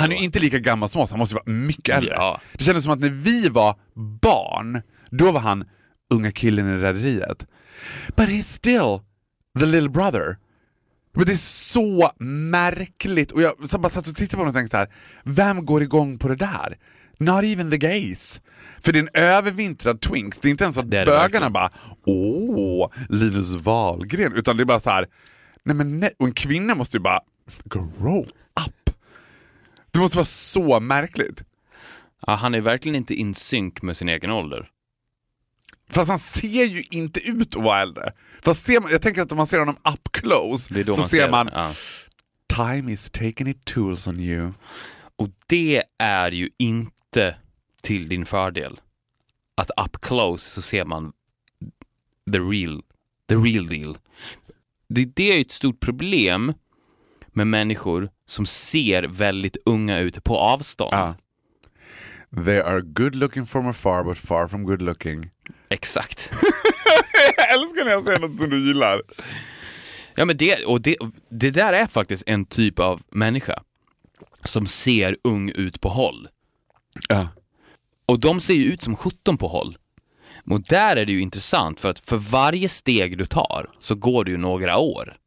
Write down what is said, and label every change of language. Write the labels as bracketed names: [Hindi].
[Swedish] Han är inte lika gammal som oss, han måste vara mycket äldre. Ja. Det kändes som att när vi var barn, då var han unga killen i rederiet. [English] But he's still the little brother. [Swedish] Men det är så märkligt. Och jag bara satt och tittade på honom och tänkte så här, vem går igång på det där? [English] Not even the gays. [Swedish] För det är en övervintrad twinks. Det är inte ens att bögarna bara, åh, Linus Wahlgren. Utan det är bara så här, nej men nej. Och en kvinna måste ju bara [English] grow up. [Swedish] Det måste vara så märkligt. Ja, han är verkligen inte in synk med sin egen ålder. Fast han ser ju inte ut att vara äldre. Fast ser man, jag tänker att om man ser honom [English] up close [Swedish] så man ser ja. [English] Time is taking its tools on you. [Swedish] Och det är ju inte till din fördel. Att [English] up close [Swedish] så ser man [English] the real deal. [Swedish] Det är ju ett stort problem med människor som ser väldigt unga ut på avstånd. Ja. [English] They are good looking from afar but far from good looking. [Swedish] Exakt. Jag älskar när jag säger något som du gillar. Ja, men det där är faktiskt en typ av människa som ser ung ut på håll. Ja. Och de ser ju ut som 17 på håll. Och där är det ju intressant, för att för varje steg du tar så går det ju några år.